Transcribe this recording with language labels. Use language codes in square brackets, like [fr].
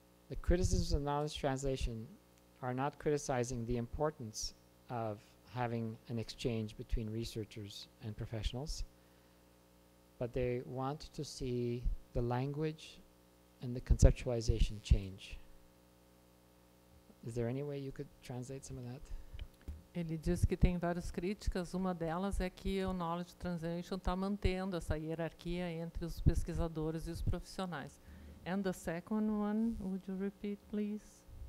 [en] The criticisms of knowledge translation are not criticizing the importance of having an exchange between researchers and professionals, but they want to see the language and the conceptualization change. Is there any way you could translate some of that? [pt] Ele diz que tem várias críticas. Uma delas é que o knowledge translation está mantendo essa hierarquia entre os pesquisadores e os profissionais. [en] And the second one, would you repeat, please?